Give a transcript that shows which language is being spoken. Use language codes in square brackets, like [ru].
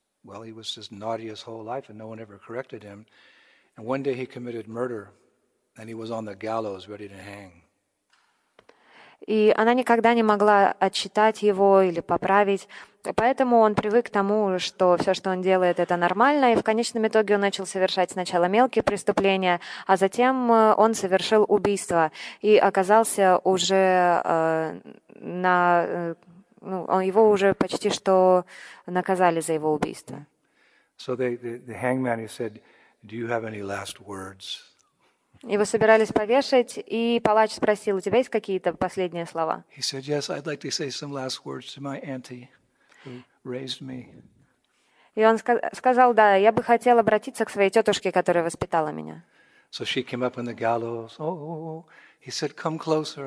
[en] Well, he was just naughty his whole life, and no one ever corrected him. And one day he committed murder, and he was on the gallows, ready to hang. [ru] И она никогда не могла отчитать его или поправить, поэтому он привык к тому, что все, что он делает, это нормально. И в конечном итоге он начал совершать сначала мелкие преступления, а затем он совершил убийство и оказался уже на его уже почти что наказали за его убийство. [en] So the hangman, he said, "Do you have any last words?" [ru] Его собирались повешать, и палач спросил: "У тебя есть какие-то последние слова?" [en] He said, "Yes, I'd like to say some last words to my auntie who raised me." [ru] И он сказал: "Да, я бы хотел обратиться к своей тетушке, которая воспитала меня." [en] So she came up on the gallows. Oh, he said, "Come closer.